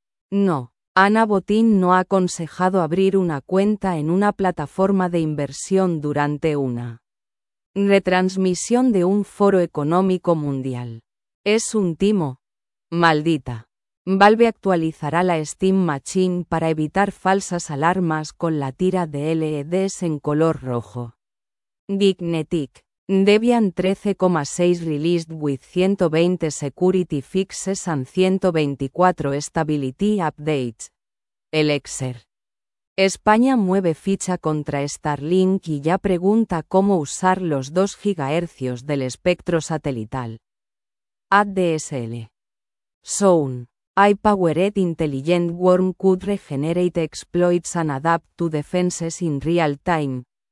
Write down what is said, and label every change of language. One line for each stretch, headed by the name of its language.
Spanish: No, Ana Botín no ha aconsejado abrir una cuenta en una plataforma de inversión durante una retransmisión de un foro económico mundial. Es un timo. Maldita. Valve actualizará la Steam Machine para evitar falsas alarmas con la tira de LEDs en color rojo. Dignetic.
English: Debian 13.6 released with 120 security fixes and 124 stability updates. Elixir.
Spanish: España mueve ficha contra Starlink y ya pregunta cómo usar los 2 GHz del espectro satelital. ADSL. Zone.
English: AI-powered intelligent worm could regenerate exploits and adapt to defenses in real time.